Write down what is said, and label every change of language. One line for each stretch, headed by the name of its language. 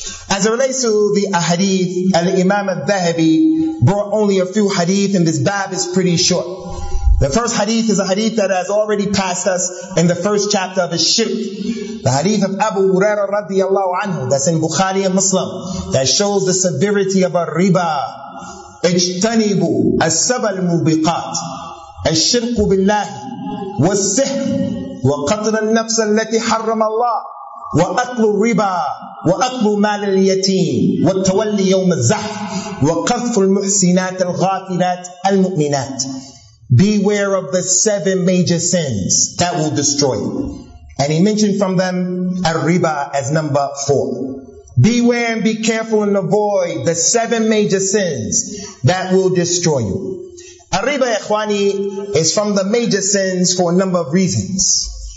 English: As it relates to the ahadith, Al-Imam al-Dhahabi brought only a few hadith and this bab is pretty short. The first hadith is a hadith that has already passed us in the first chapter of Ash-Shirk. The hadith of Abu Huraira radiallahu anhu, that's in Bukhari and Muslim, that shows the severity of al-riba.
Arabic: اجتنبوا السبع الموبقات الشرك بالله والسحر وقتل النفس التي حرم الله وأكل الربا وأكل مال اليتيم والتولي يوم الزحف وقذف المحسنات الغافلات المؤمنات.
English: Beware of the seven major sins that will destroy you. And he mentioned from them al-riba as number four. Beware and be careful and avoid the seven major sins that will destroy you. Al-riba, ikhwani, is from the major sins for a number of reasons.